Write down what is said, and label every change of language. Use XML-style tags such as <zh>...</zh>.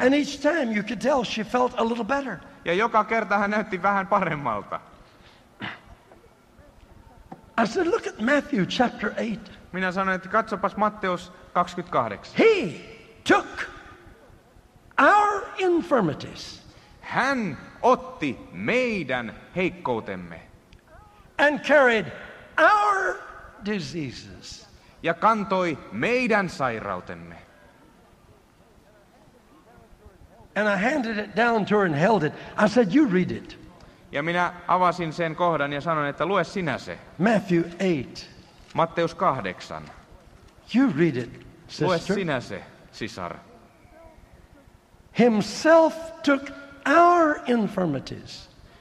<en>And each time you could tell she felt a little better.</en> <fi>Ja joka kerta hän näytti vähän paremmalta.</fi> <en>I said, "Look at Matthew chapter 8."</en> <fi>Minä sanoin, että katsopas Matteus 28.</fi> <en>He took our infirmities.</en> <fi>Hän otti meidän heikkoutemme.</fi> <en>And carried our diseases.</en> <fi>Ja kantoi meidän sairautemme.</fi> <en>And I handed it down to her and held it. I said, "You read it."</en> <fi>Ja minä avasin sen kohdan ja sanoin, että lue sinä se.</fi> <en>Matthew 8.</en> <fi>Matteus 8.</fi> <en>You read it, sister.</en> <fi>Lue sinä se, sisar.</fi> <en>Himself took our infirmities.</en>